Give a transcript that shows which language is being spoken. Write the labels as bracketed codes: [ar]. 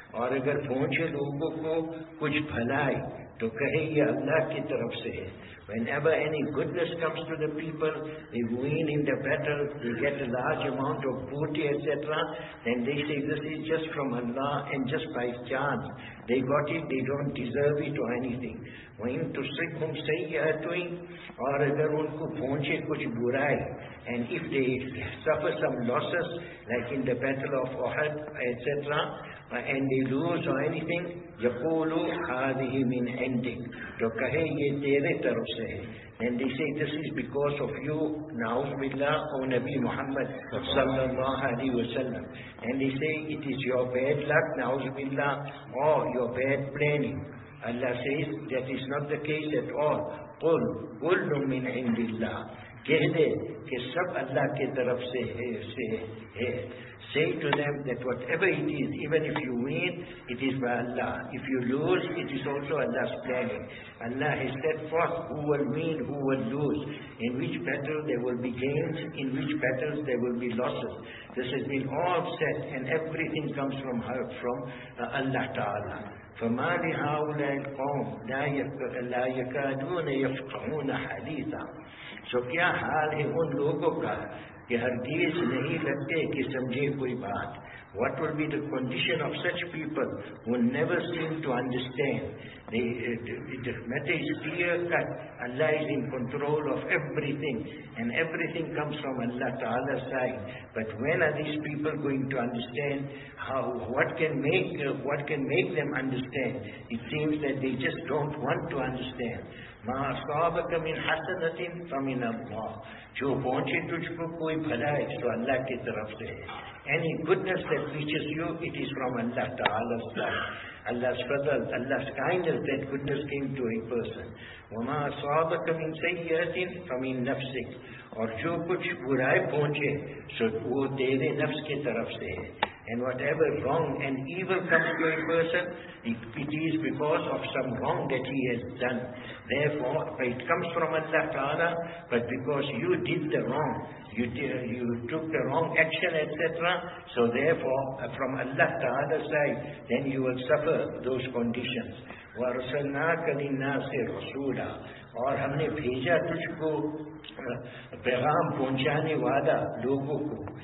[ur] اور اگر پہنچے لوگوں کو کچھ بھلائی تو کہے یہ اللہ کی طرف سے ہے. [en] Whenever any goodness comes to the people, they win in the battle, they get a large amount of booty, etc., then they say this is just from Allah and just by chance. They got it, they don't deserve it or anything. [ar] وَإِن تُصِبْهُمْ سَيِّئَةٌ. [ur] اور اگر ان کو پہنچے کچھ برائی, [en] and if they suffer some losses, like in the battle of Uhud, etc., and they lose or anything, [ar] يَقُولُ هَذِهِ مِنْ عِنْدِكَ, [ur] تو کہے یہ تیرے طرف سے ہے. [en] And they say this is because of you, نَعُوذُ بِاللَّهِ, or Nabi Muhammad صَلَّى اللَّهُ عَلَيْهِ وَسَلَّمَ. And they say it is your bad luck, نَعُوذُ بِاللَّهِ, or your bad planning. Allah says that is not the case at all. [ar] قُلْ كُلُّ مِنْ عِنْدِ اللَّهِ. [ur] کہہ دے کہ سب اللہ کے طرف سے ہے. [en] Say to them that whatever it is, even if you win, it is by Allah. If you lose, it is also Allah's planning. Allah has set forth who will win, who will lose, in which battle there will be gains, in which battles there will be losses. This has been all set, and everything comes from her, from Allah Ta'ala. [ar] فَمَا لِهَاوْلَا الْقَوْمِ لَا يَكَادُونَ يَفْقَهُونَ حَدِيثًا. [ur] So کیا حال ہے ان لوگوں کا کہ ہرگز نہیں لگتے کہ سمجھے کوئی بات. [en] What will be the condition of such people who never seem to understand? The matter is clear cut. Allah is in control of everything, and everything comes from Allah Ta'ala's side. But when are these people going to understand? What can make them understand? It seems that they just don't want to understand. [ar] مَا أَصْقَابَكَ مِنْ حَسَنَةٍ فَمِنَ اللَّهِ. [ur] جو پہنچے تجھ کو کوئی بھلائی تو اللہ کی طرف سے. [en] Any goodness that reaches you, it is from Allah Ta'ala's side. Allah's fadl, Allah's kindness, that goodness came to a person. [ar] وَمَا أَصَابَكَ مِنْ سَيِّئَةٍ فَمِنْ نَفْسِكَ [ur] اور جو کچھ برائے پہنچے سو وہ تیرے نفس کے طرف سے ہے. [en] And whatever wrong and evil comes to a person, it is because of some wrong that he has done. Therefore, it comes from Allah Ta'ala, but because you did the wrong, you took the wrong action, etc. So therefore, from Allah Ta'ala's side, then you will suffer those conditions. [ar] وَرْسَلْنَاكَ لِلنَّاسِ رَسُولًا [ur] اور ہم نے بھیجا تجھ کو پیغام پہنچانے والا لوگوں کو.